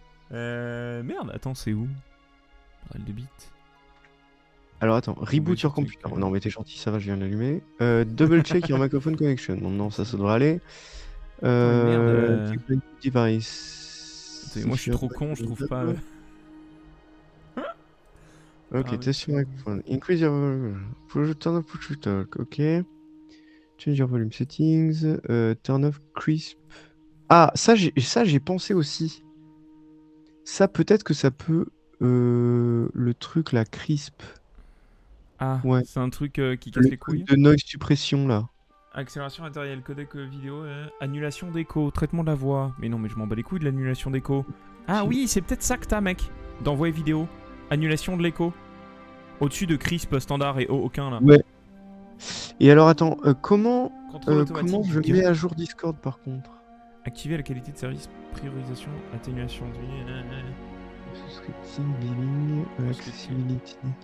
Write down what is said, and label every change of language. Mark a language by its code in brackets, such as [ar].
[fr] Merde, attends, c'est où? Braille de bite. Alors attends, [en] reboot your computer. [fr] Non mais t'es gentil, ça va, je viens de l'allumer. [en] Double check your microphone connection. [fr] Non, ça devrait aller. Merde. [en] Device. [fr] Attends, moi je suis trop con, je trouve pas. [en] Ok, test your microphone. Increase your volume. Turn off push to talk. Ok. Change your volume settings. Turn off crisp. [fr] Ah, ça j'ai pensé aussi. Ça peut-être que ça peut le truc la crisp. Ah, ouais. C'est un truc qui casse les couilles. De noise suppression là. Accélération matérielle, codec vidéo, annulation d'écho, traitement de la voix. Mais non, mais je m'en bats les couilles de l'annulation d'écho. Ah oui, c'est peut-être ça que t'as, mec. D'envoi vidéo, annulation de l'écho. Au-dessus de crisp standard et aucun là. Ouais. Et alors attends, comment je mets à jour Discord par contre? Activer la qualité de service, priorisation, atténuation de vie. [en] Subscription, billing, accessibility.